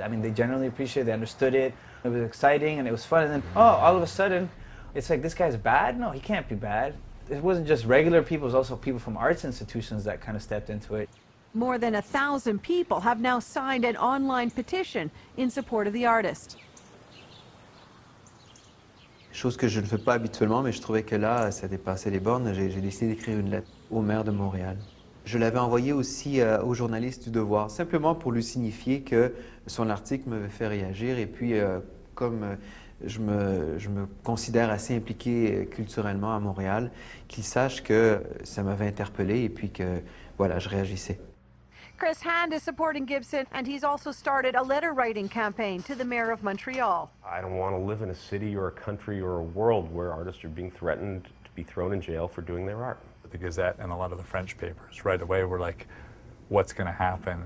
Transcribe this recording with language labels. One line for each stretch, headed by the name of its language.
English: I mean, they generally appreciated, they understood it. It was exciting and it was fun, and then, oh, all of a sudden, it's like, this guy's bad? No, he can't be bad. It wasn't just regular people, it was also people from arts institutions that kind of stepped into it. More than 1,000 people have now signed an online petition in support of the artist.
French: Chose que je ne fais pas habituellement, mais je trouvais que là, ça dépassait les bornes, j'ai décidé d'écrire une lettre au maire de Montréal. Je l'avais envoyé aussi au journaliste du Devoir, simplement pour lui signifier que son article m'avait fait réagir. Et puis, comme je me considère assez impliqué culturellement à Montréal, qu'il sache que ça m'avait interpellé et puis que, voilà, je réagissais.
English: Chris Hand is supporting Gibson, and he's also started a letter-writing campaign to the mayor of Montreal. I don't want to live in a city or a country or a world where artists are being threatened to be thrown in jail for doing their art. The Gazette and a lot of the French papers right away were like, what's going to happen?